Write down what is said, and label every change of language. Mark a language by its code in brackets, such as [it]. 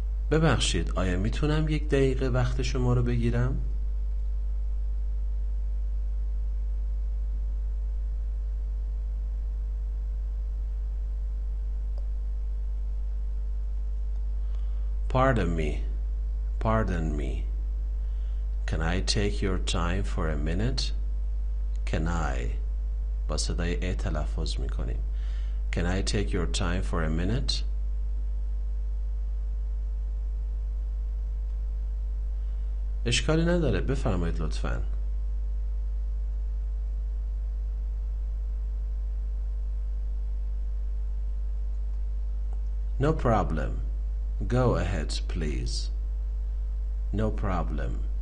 [fa] ببخشید، آیا میتونم یک دقیقه وقت شما رو بگیرم؟ [en] Pardon me. Can I take your time for a minute? Can I? [fa] با صدای ای تلفظ میکنیم. [en] Can I take your time for a minute? [fa] اشکالی نداره، بفرمایید لطفا. [en] No problem. Go ahead, please. No problem.